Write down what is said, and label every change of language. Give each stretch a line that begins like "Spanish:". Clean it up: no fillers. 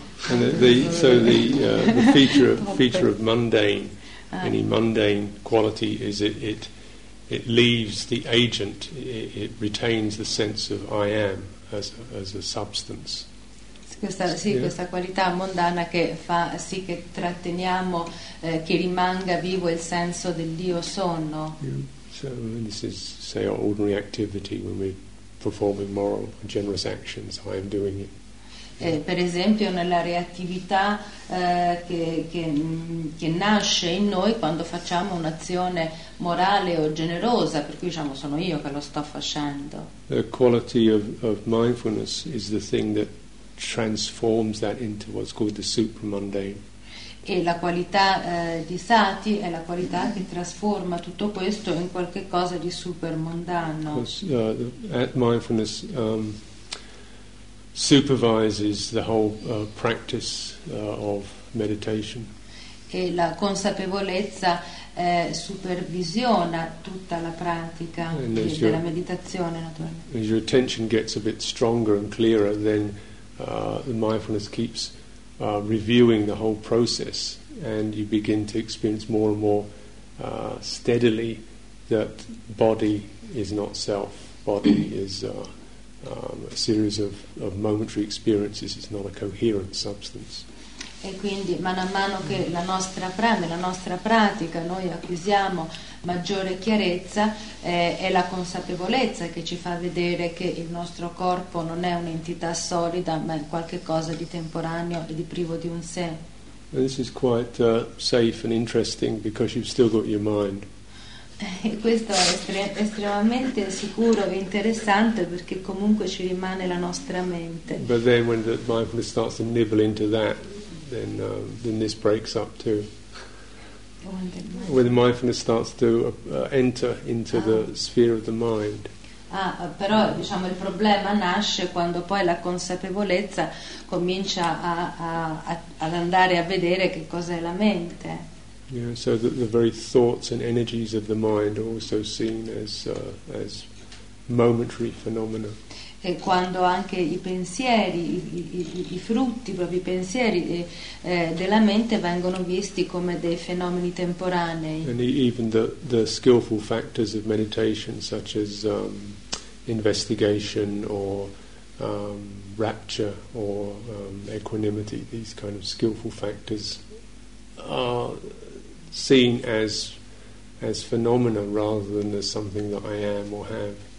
English: And the feature of mundane, any mundane quality is it leaves the agent, it retains the sense of I am as a substance.
Italian: Questa, sì, yeah. Questa qualità mondana che fa sì che tratteniamo che rimanga vivo il senso dell'io sono.
English: Yeah. So this is, say, our ordinary activity when we're performing moral and generous actions. I am doing it.
Italian: Per esempio nella reattività che nasce in noi quando facciamo un'azione morale o generosa, per cui diciamo sono io che lo sto facendo.
English: The quality of mindfulness is the thing that transforms that into what's called the supramundane.
Italian: E la qualità di sati è la qualità che trasforma tutto questo in qualche cosa di supermondano.
English: Mindfulness supervises the whole practice of meditation.
Italian: E la consapevolezza supervisiona tutta la pratica della meditazione, naturalmente.
English: As your attention gets a bit stronger and clearer, then the mindfulness keeps reviewing the whole process, and you begin to experience more and more steadily that body is not self. Body is a series of momentary experiences. It's not a coherent substance.
Italian: E quindi mano a mano che la nostra pratica, noi acquisiamo maggiore chiarezza, è la consapevolezza che ci fa vedere che il nostro corpo non è un'entità solida, ma è qualcosa di temporaneo e di privo di un sé.
English: This is quite safe and interesting because you've still got your mind.
Italian: E questo è estremamente sicuro e interessante perché comunque ci rimane la nostra mente.
English: But then when the mindfulness starts to nibble into that, then this breaks up too. When the mindfulness starts to enter into the sphere of the mind.
Italian: Ah, però diciamo il problema nasce quando poi la consapevolezza comincia ad andare a vedere che cos'è la mente.
English: Yeah, so the very thoughts and energies of the mind are also seen as momentary phenomena.
Italian: E quando anche i pensieri, i frutti, proprio i pensieri della mente vengono visti come dei fenomeni temporanei.
English: And even the skillful factors of meditation, such as investigation or rapture or equanimity, these kind of skillful factors are seen as phenomena rather than as something that I am or have.